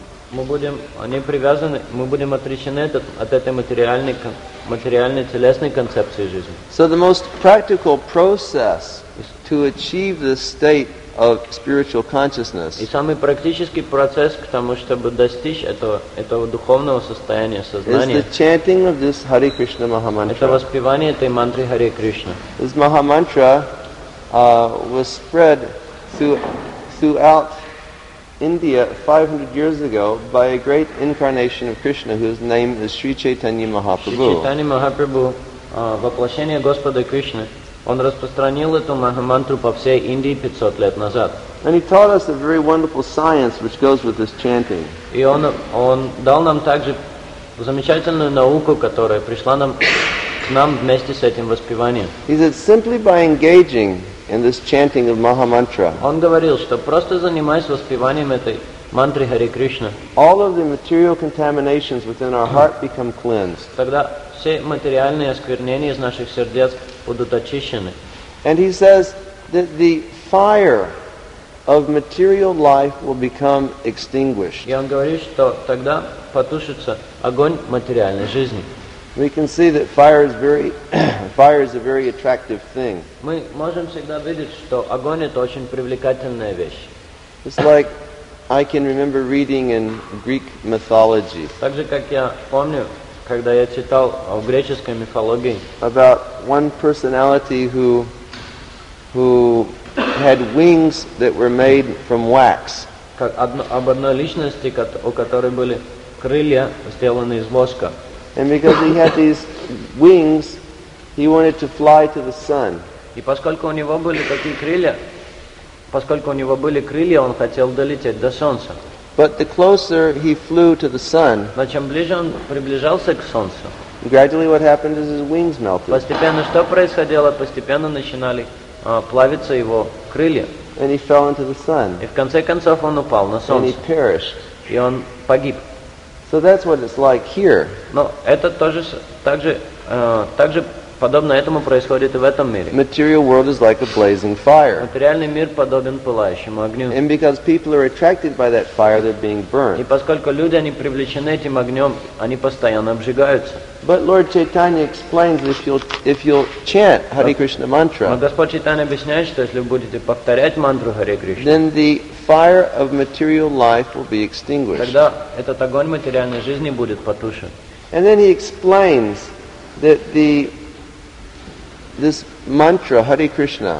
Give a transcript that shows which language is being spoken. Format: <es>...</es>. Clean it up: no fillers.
<ru>Мы будем отречены от этой материальной телесной концепции жизни.</ru> <en>So the most practical process to achieve this state of spiritual consciousness.</en> <ru>И самый практический процесс к тому, чтобы достичь этого духовного состояния сознания.</ru> <en>Is the chanting of this Hare Krishna Maha Mantra.</en> <ru>Это воспевание этой мантры Hare Krishna.</ru> <en>This Maha Mantra was spread throughout India 500 years ago by a great incarnation of Krishna whose name is Sri Chaitanya Mahaprabhu.</en> <ru>Sri Chaitanya Mahaprabhu, воплощение Господа Кришны. Он распространил эту махамантру по всей Индии 500 лет назад.</ru> <en>And he taught us a very wonderful science which goes with this chanting.</en> <ru>И он дал нам также замечательную науку, которая пришла к нам вместе с этим воспеванием.</ru> <en>He said simply by engaging in this chanting of Mahamantra.</en> <ru>Он говорил, что просто занимаясь воспеванием этой мантры Hare Krishna,</ru> <en>all of the material contaminations within our heart become cleansed.</en> <ru>Тогда все материальные осквернения из наших сердец будут очищены.</ru> <en>And he says that the fire of material life will become extinguished.</en> <ru>И он говорит, что тогда потушится огонь материальной жизни.</ru> <en>We can see that fire is very fire is a very attractive thing.</en> <ru>Мы можем всегда видеть, что огонь это очень привлекательная вещь.</ru> <en>It's like I can remember reading in Greek mythology.</en> <ru>Так же как я помню, когда я читал о греческой мифологии.</ru> <en>About one personality who had wings that were made from wax.</en> <ru>Как об одной личности, у которой были крылья, сделанные из воска.</ru> <en>And because he had these wings, he wanted to fly to the sun.</en> <ru>И поскольку у него были такие крылья, он хотел долететь до солнца.</ru> <en>But the closer he flew to the sun,</en> <ru>но чем ближе он приближался к солнцу,</ru> <en>gradually what happened is his wings melted.</en> <ru>Постепенно что происходило? Постепенно начинали плавиться его крылья.</ru> <en>And he fell into the sun.</en> <ru>И в конце концов он упал на солнце.</ru> <en>And he perished.</en> <ru>И он погиб.</ru> <en>So that's what it's like here.</en> <ru>Но это тоже также подобно этому происходит и в этом мире.</ru> <en>Material world is like a blazing fire.</en> <ru>Материальный мир подобен пылающему огню.</ru> <en>And because people are attracted by that fire, they're being burned.</en> <ru>И поскольку люди они привлечены этим огнем, они постоянно обжигаются.</ru> <en>But Lord Chaitanya explains if you'll chant Hare Krishna mantra.</en> <ru>Но Господь Чайтанья объясняет, что если вы будете повторять мантру Hare Krishna,</ru> <en>then the fire of material life will be extinguished.</en> <ru>Тогда этот огонь материальной жизни будет потушен.</ru> <en>And then he explains that this mantra, Hare Krishna,</en>